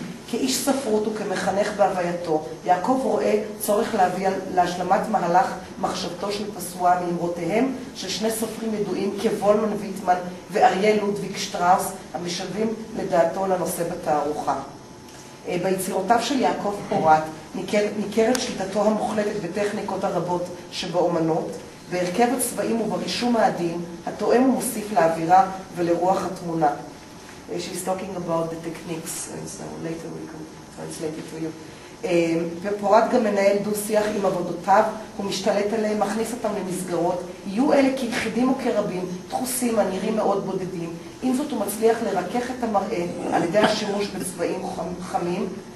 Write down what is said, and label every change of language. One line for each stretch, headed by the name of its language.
Hebrew: כאיש ספרות וכמחנך בהווייתו, יעקב רואה צורך להביא להשלמת מהלך מחשבתו של פסואה מאמרותיהם של שני סופרים ידועים כוולמן ויטמן ואריה לודוויג שטראוס, המשווים לדעתו לנושא בתערוכה. ביצירותיו של יעקב פורט ניכרת שליטתו המוחלטת בטכניקות הרבות שבאומנות, בהרכב הצבעים וברישום העדין, התואם ומוסיף לאווירה ולרוח התמונה.
English: She's talking about the techniques, and so later we can translate it to you.
Hebrew: פורט גם מנהל דו-שיח עם עבודותיו, הוא משתלט עליהם, מכניס אותם למסגרות. יהיו אלה כיחידים או כרבים, דחוסים, הנראים מאוד בודדים. עם זאת הוא מצליח לרכך את המראה על ידי השימוש בצבעים חמים.